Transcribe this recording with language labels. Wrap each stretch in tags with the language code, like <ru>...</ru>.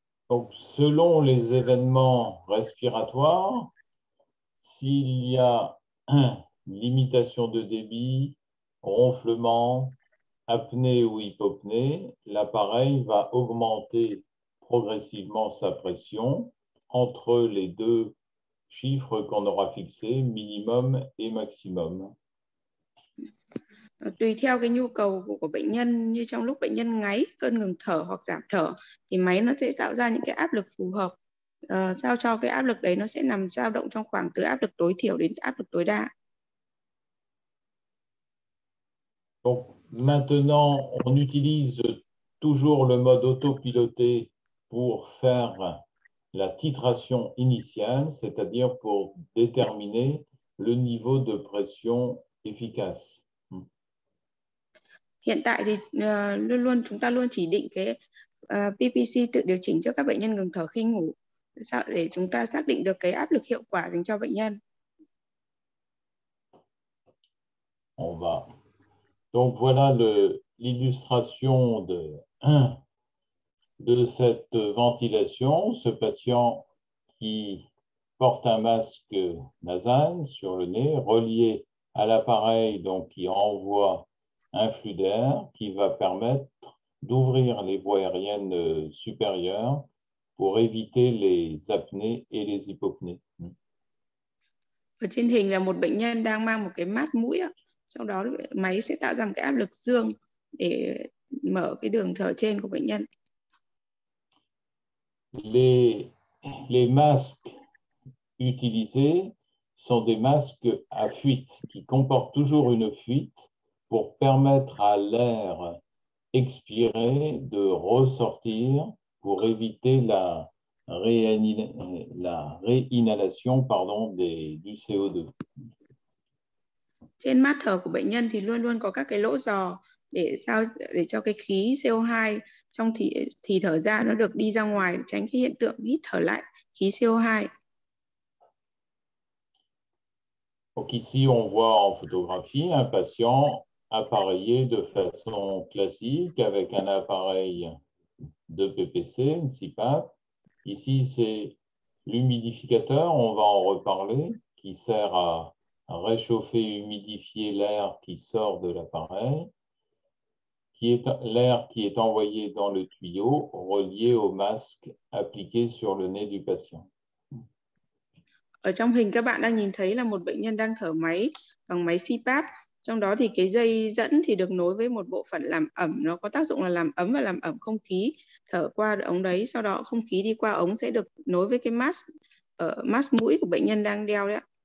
<fr>Donc, selon les événements respiratoires, s'il y a limitation de débit, ronflement, apnée ou hypopnée, l'appareil va augmenter progressivement sa pression entre les deux chiffres qu'on aura fixés, minimum et maximum.</fr> <vi>Tùy theo cái nhu cầu của bệnh nhân, như trong lúc bệnh nhân ngáy, cơn ngừng thở hoặc giảm thở, thì máy nó sẽ tạo ra những cái áp lực phù hợp, sao cho cái áp lực đấy nó sẽ nằm dao động trong khoảng từ áp lực tối thiểu đến áp lực tối đa.</vi> <fr>Donc, maintenant, on utilise toujours le mode autopiloté pour faire la titration initiale, c'est-à-dire pour déterminer le niveau de pression efficace.</fr> <vi>Hiện tại thì luôn luôn chúng ta luôn chỉ định cái PPC tự điều chỉnh cho các bệnh nhân ngừng thở khi ngủ để chúng ta xác định được cái áp lực hiệu quả dành cho bệnh nhân.</vi> <fr>On va. Donc voilà l'illustration de cette ventilation. Ce patient qui porte un masque nasal sur le nez relié à l'appareil donc qui envoie un flux d'air qui va permettre d'ouvrir les voies aériennes supérieures pour éviter les apnées et les hypopnées.</fr> <vi>Ở trên hình là một bệnh nhân đang mang một cái mát mũi, trong đó máy sẽ tạo ra một cái áp lực dương để mở cái đường thở trên của bệnh nhân.</vi> <fr>Les les masques utilisés sont des masques à fuite qui comportent toujours une fuite pour permettre à l'air expiré de ressortir pour éviter la réinhalation du CO2.</fr> <vi>Trên mắt thở của bệnh nhân thì luôn luôn có các cái lỗ giò để cho cái khí CO2 trong thì thở ra nó được đi ra ngoài, tránh cái hiện tượng hít thở lại khí CO2.</vi> <fr>Donc ici on voit en photographie un patient appareillé de façon classique avec un appareil de PPC, une CPAP. Ici c'est l'humidificateur, on va en reparler, qui sert à réchauffer, humidifier l'air qui sort de l'appareil, qui est envoyé dans le tuyau relié au masque appliqué sur le nez du patient.</fr> <vi>Ở trong hình các bạn đang nhìn thấy là một bệnh nhân đang thở máy bằng máy CPAP. Trong đó thì cái dây dẫn thì được nối với một bộ phận làm ẩm, nó có tác dụng là làm ấm và làm ẩm không khí. Thở qua ống đấy, sau đó không khí đi qua ống sẽ được nối với cái mask mũi của bệnh nhân đang đeo đấy.</vi>